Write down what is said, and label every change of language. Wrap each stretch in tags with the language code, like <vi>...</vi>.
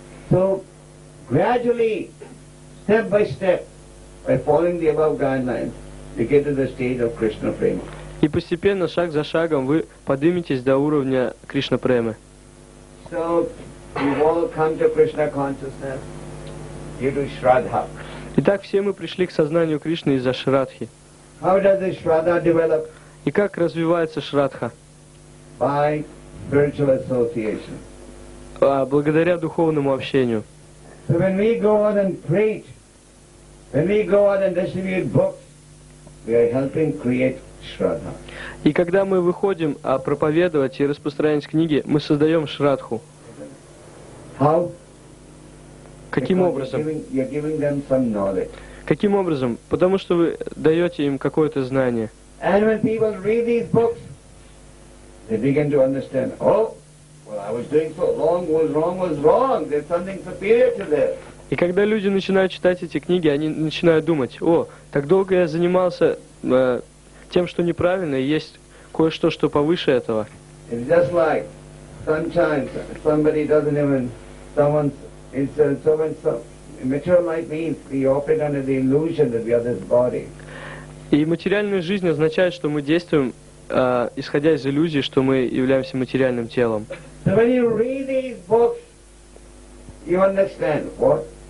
<en>So, gradually, step by step, by following the above guidelines, you get to the stage of Krishna prema.</en> <ru>И постепенно, шаг за шагом, вы подниметесь до уровня Кришна премы.</ru> <en>So, we've all come to Krishna consciousness due to Shraddha.</en> <ru>Итак, все мы пришли к сознанию Кришны из-за Шраддхи.</ru> <en>How does the Shraddha develop?</en> <ru>И как развивается Шраддха?</ru> <en>By spiritual association.</en> <ru>Благодаря духовному общению.</ru> <en>So when we go out and preach, when we go out and distribute books, we are helping create.</en> <ru>И когда мы выходим проповедовать и распространять книги, мы создаем Шраддху.</ru> <en>How?</en> <ru>Каким образом?</ru> <en>You're giving them some knowledge.</en> <ru>Каким образом? Потому что вы даете им какое-то знание.</ru> <en>And when people read these books, they begin to understand, oh, what I was doing so long was wrong, was wrong. There's something superior to this.</en> <ru>И когда люди начинают читать эти книги, они начинают думать, о, так долго я занимался тем, что неправильно, и есть кое-что, что повыше этого.</ru> <en>It's just like sometimes somebody doesn't even someone is so and so. Material life means we operate under the illusion that we are this body.</en> <ru>И материальная жизнь означает, что мы действуем исходя из иллюзии, что мы являемся материальным телом.</ru> <en>So when you read these books, you understand what?</en>